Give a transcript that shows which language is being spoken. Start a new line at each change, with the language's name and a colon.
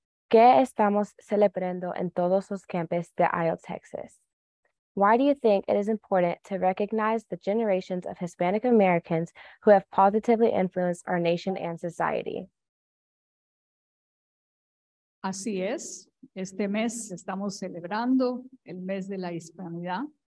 Spanish: ¿Qué estamos celebrando en todos los campus de ILTexas?
English: Why do you think it is important to recognize the generations of Hispanic Americans who have positively influenced our nation and society?
Spanish: Así es. Este mes estamos celebrando el mes de la Hispanidad.